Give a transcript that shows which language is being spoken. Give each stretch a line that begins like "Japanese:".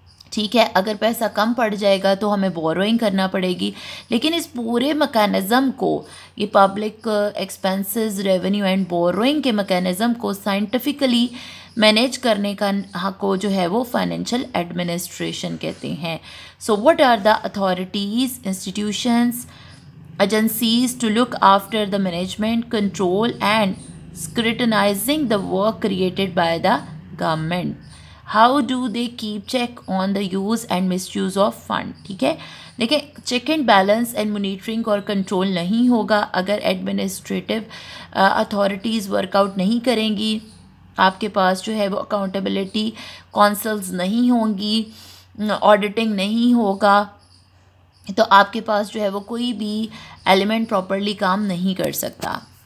Urdu: ٹھیک ہے، اگر پیسہ کم پڑ جائے گا تو ہمیں بوروئنگ کرنا پڑے گی، لیکن اس پورے میکینزم کو، یہ
English: public expenses, revenue and borrowing
Urdu: کے میکینزم کو سائنٹیفکلی مینیج کرنے کا کو جو ہے وہ فائنینشیل ایڈمنسٹریشن کہتے ہیں.
English: So what are the authorities, institutions, agencies to look after the management, control and scrutinising the work created by the government. How do they keep check on the use and misuse of fund.
Urdu: ٹھیک ہے، دیکھیں
English: check and balance and monitoring
Urdu: اور control نہیں ہوگا اگر administrative authorities work out نہیں کریں گی، آپ کے پاس جو ہے وہ اکاؤنٹیبلٹی کونسلز نہیں ہوں گی، آڈیٹنگ نہیں ہوگا، تو آپ کے پاس جو ہے وہ کوئی بھی ایلیمنٹ پراپرلی کام نہیں کر سکتا.